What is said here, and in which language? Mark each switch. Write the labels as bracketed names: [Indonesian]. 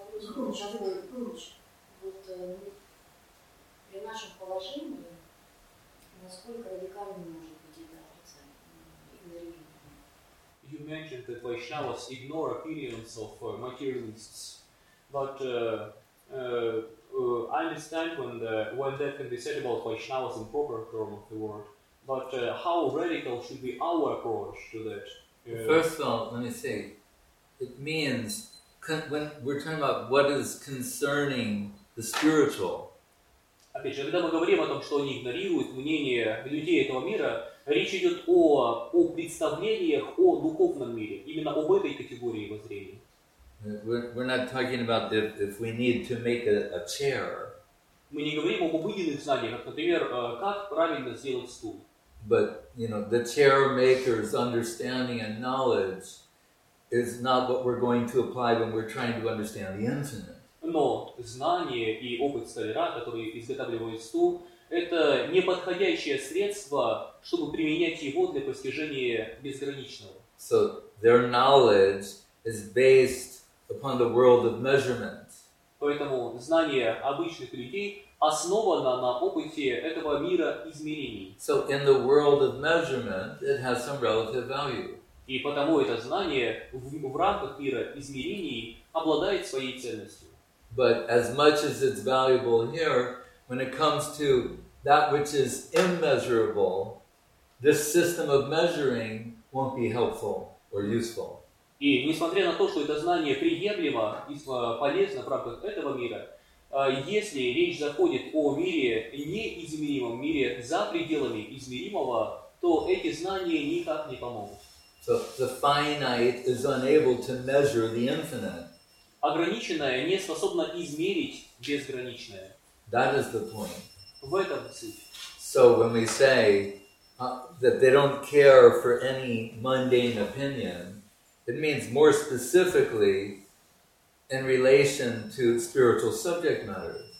[Russian] помощь, огромную помощь. Вот при нашем положении, насколько радикальным может быть это отрицание? [English] You mentioned that Vaishnavas ignore opinions of materialists, but I understand when that can be said about Vaishnavas in proper term of the word, but how radical should be our approach to that? First of all, let me say, it means, when we're talking about what is concerning the spiritual. [Russian] Опять же, когда мы говорим о том, что они игнорируют мнение людей этого мира, речь идет о представлениях о духовном мире, именно об этой категории воззрений. [English] We're not talking about if we need to make a chair. [Russian] Мы не говорим об обыденных знаниях, например, как правильно сделать стул. [English] But you know, the chair maker's understanding and knowledge is not what we're going to apply when we're trying to understand the infinite. [Russian] Но знание и опыт столяра, который изготавливает стул, это не подходящее средство, чтобы применять его для постижения безграничного. [English] So their knowledge is based upon the world of measurement. [Russian] Поэтому знание обычных людей основано на опыте этого мира измерений. [English] So in the world of measurement, it has some relative value. [Russian] И потому это знание в рамках мира измерений обладает своей ценностью. [English] But as much as it's valuable here, when it comes to that which is immeasurable, this system of measuring won't be helpful or useful. [Russian] И несмотря на то, что это знание приемлемо и полезно в рамках этого мира, если речь заходит о мире неизмеримом, мире за пределами измеримого, то эти знания никак не помогут. [English] So the finite is unable to measure the infinite. [Russian] Ограниченное не способно измерить безграничное. [English] That is the point. [Russian] В этом суть. [English] So when we say that they don't care for any mundane opinion, it means more specifically in relation to spiritual subject matters.